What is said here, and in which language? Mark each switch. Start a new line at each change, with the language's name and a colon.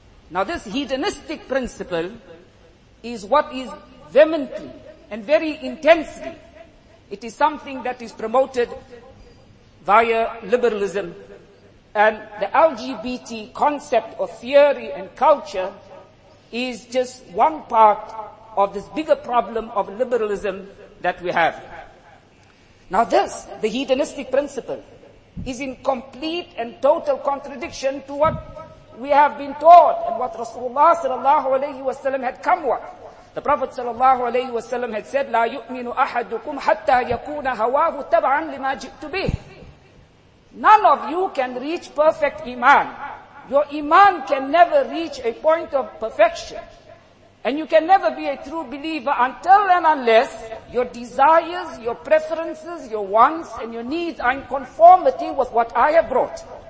English: Now this hedonistic principle is what is vehemently and very intensely, it is something that is promoted via liberalism, and the LGBT concept or theory and culture is just one part of this bigger problem of liberalism that we have. Now this, the hedonistic principle, is in complete and total contradiction to what we have been taught and what Rasulullah sallallahu alayhi wa sallam had come with. The Prophet sallallahu alayhi wa sallam had said,
Arabic: لا يؤمن أحدكم حتى يكون هواه تبعا لما جئت به.
English: None of you can reach perfect iman. Your iman can never reach a point of perfection. And you can never be a true believer until and unless your desires, your preferences, your wants and your needs are in conformity with what I have brought.